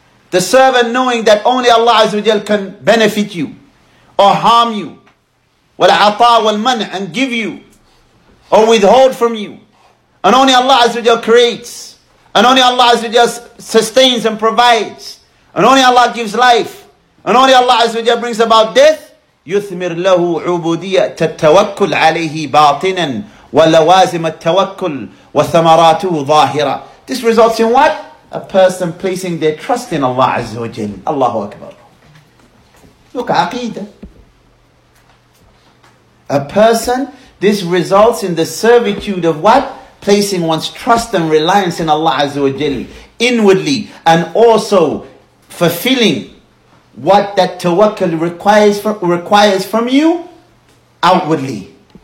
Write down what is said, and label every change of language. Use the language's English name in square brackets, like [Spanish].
[English] The servant knowing that only Allah Azza wa Jal can benefit you or harm you, [Arabic] والعطاء والمنع, [English] and give you or withhold from you, and only Allah Azza wa Jal creates, and only Allah Azza wa Jal sustains and provides, and only Allah gives life, and only Allah Azza wa Jal brings about death. [Arabic] يثمر له عبودية تتوكل عليه باطنا ولوازم التوكل وثمراته ظاهرة. [English] This results in what? A person placing their trust in Allah Azza wa Jal. Allahu Akbar. Look, aqeedah. A person, this results in the servitude of what? Placing one's trust and reliance in Allah Azza wa Jal inwardly, and also fulfilling what that tawakkul requires from you outwardly.